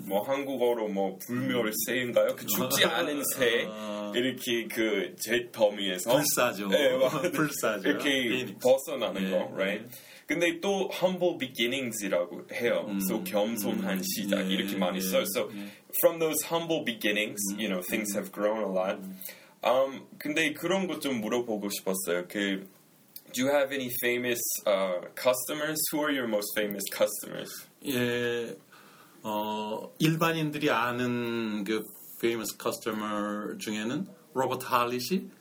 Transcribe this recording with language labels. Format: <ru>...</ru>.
<ko>뭐 한국어로 뭐 불멸새인가요? 그 죽지 않은 새 이렇게 그 제더미에서 불사죠. 네, 불사죠. 이렇게 Phoenix. 벗어나는 거, 네. right? 근데 또 humble beginnings이라고 해요. So 겸손한 시작 이렇게 많이 써요.</ko> <en>So from those humble beginnings, you know, things have grown a lot.</en> <ko>근데 그런 것 좀 물어보고 싶었어요.</ko> <en>그 Do you have any famous customers? Who are your most famous customers?</en> <ko>예, 일반인들이 아는 그 famous customer 중에는 로버트 할리 씨.</ko>